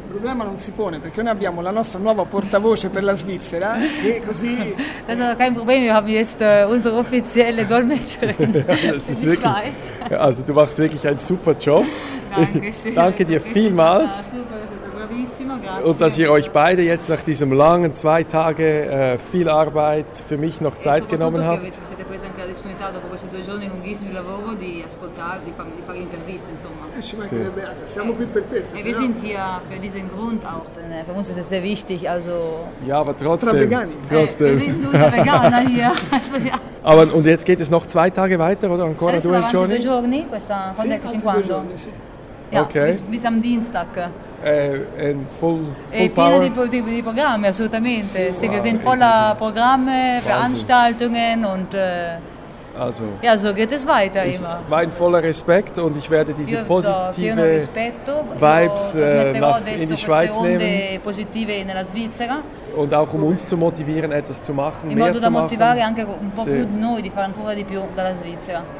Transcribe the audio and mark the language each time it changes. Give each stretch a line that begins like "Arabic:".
Italian: problema non si pone perché noi abbiamo la nostra nuova portavoce per la Svizzera e così.
German: Das ist kein Problem, wir haben jetzt unsere offizielle Dolmetscherin. Ja, wirklich, also du machst wirklich einen super Job. Dankeschön. Danke dir vielmals. Super.
Italian: bravissimo, grazie.
German: Und dass ihr euch beide jetzt nach diesem langen zwei Tage viel Arbeit für mich noch Zeit genommen habt.
Italian: Che siete presi anche la disponibilità dopo questi due giorni lunghissimi di lavoro di ascoltare, di fare interviste, insomma. Siamo qui per questo.
German: E wir sind hier für diesen Grund auch, denn für uns ist es sehr wichtig, also. Ja, aber trotzdem. Wir sind nur Veganer hier, also ja. Aber und jetzt geht es noch zwei Tage weiter oder
Italian: ancora due giorni? Due giorni, questa quando è che fin quando?
German: Ja, okay. Bis am Dienstag.
English: Full
Italian: power. Pieno di programmi, assolutamente.
German: Sì, sì, wow, wir sind voller Programme, Veranstaltungen und. Also. Ja, so geht es weiter immer. Mein voller Respekt und ich werde diese positive
English: Vibes
German: in die Schweiz nehmen.
Italian: Positive nella Svizzera.
German: Und auch um uns zu motivieren, etwas zu machen.
Italian: In modo da motivare
German: machen.
Italian: Anche un po' sì. Più noi di fare ancora di più dalla Svizzera.